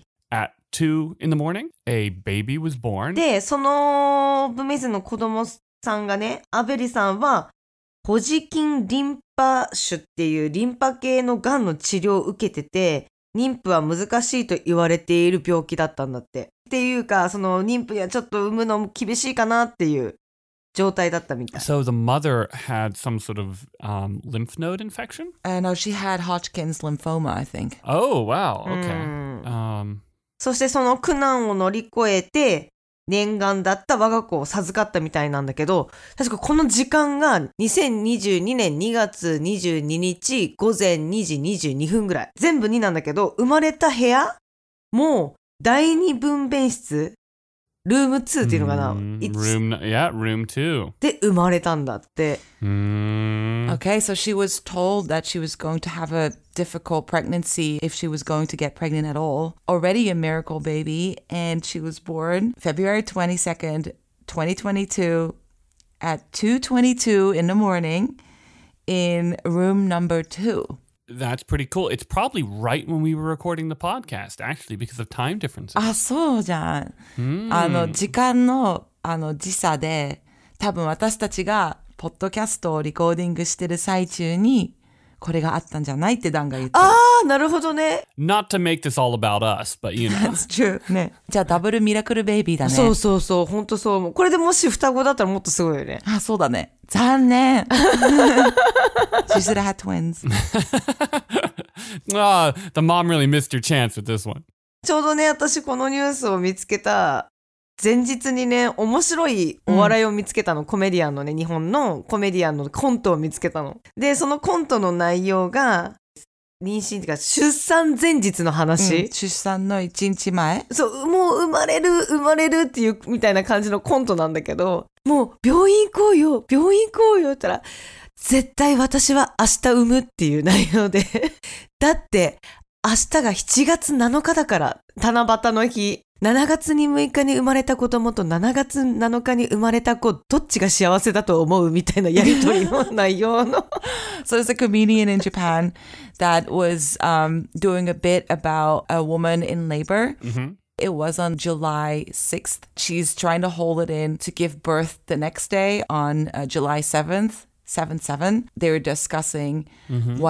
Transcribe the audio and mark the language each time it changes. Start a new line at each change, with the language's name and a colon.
English: At 2 in the morning, a baby was born.
Japanese: で、その分娩室の子供さんがね、アベリさんは、ホジキンリンパ腫っていうリンパ系のがんの治療を受けてて、妊婦は難しいと言われている病気だったんだって。っていうか、その妊婦にはちょっと産むの厳しいかなっていう。状態だったみたい。
English: So the mother had some sort of lymph node infection? No, she had Hodgkin's lymphoma, I think. Oh, wow. Okay. そ
Japanese: してその苦難を乗り越えて念願だった我が子を授かったみたいなんだけど、確かこの時間が2022年2月22日午前2時22分ぐらい。全部2なんだけど、生まれた部屋も第二分娩室ルーム2っていうのかな、
English: room, yeah, room 2.
Japanese: で生まれたんだって。
English: Okay, so she was told that she was going to have a difficult pregnancy if she was going to get pregnant at all. Already a miracle baby, and she was born February 22nd, 2022 at 2:22 in the morning in room number 2. That's pretty cool. It's probably right when we were recording the podcast, actually, because of time differences.
Japanese: あ、そうじゃん。時間の、時差で、多分私たちがポッドキャストをリコーディングしてる最中に、これがあったんじゃないってダンが言ってる。あー、なるほどね。
English: Not to make this all about us, but you know. That's true. ね。
Japanese: じゃあダブルミラクルベイビーだね。そうそうそう、ほんとそう。これでもし双子だったらもっとすごいよね。あ、そうだね。残念。
English: She should have had twins. Ah, the mom really missed her chance with this one.
Japanese: ちょうどね、私このニュースを見つけた前日にね、面白いお笑いを見つけたの、コメディアンのね、日本のコメディアンのコントを見つけたの。で、そのコントの内容が、妊娠っていうか、出産前日の話。出産の一日前。そう、もう生まれる、生まれるっていう、みたいな感じのコントなんだけど、もう、病院行こうよ、病院行こうよって言ったら、絶対私は明日産むっていう内容で。だって、明日が7月7日だから七夕の日7月に6日に生まれた子供と7月7日に生まれた子どっちが幸せだと思うみたいなやりとりの内容の
English: So there's a comedian in Japan that was doing a bit about a woman in labor、mm-hmm. It was on July 6th She's trying to hold it in to give birth the next day on July 7th 7-7 They were discussing、mm-hmm.